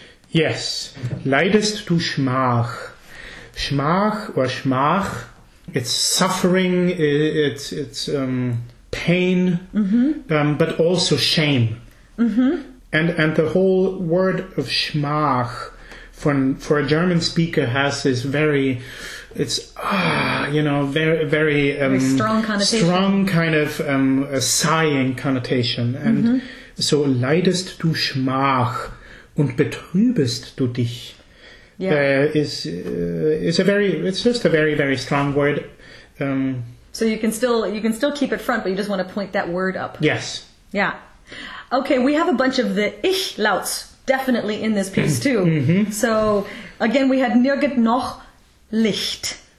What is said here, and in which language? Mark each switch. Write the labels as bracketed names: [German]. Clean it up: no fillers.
[English] Yes, [German] leidest du Schmach. [English] Schmach or Schmach, it's suffering, it's pain, mm-hmm. But also shame. Mm-hmm. And the whole word of Schmach for a German speaker has this very, it's, you know, very strong kind of a sighing connotation. And mm-hmm. [German] So, leidest du Schmach und betrübest du dich, yeah. [English] It's just a very, very strong word. So you can still keep it front, but you just want to point that word up. Yes. Yeah. Okay, we have a bunch of the Ich lauts definitely in this piece too. Mm-hmm. So again, we had [German] nirgend noch Licht.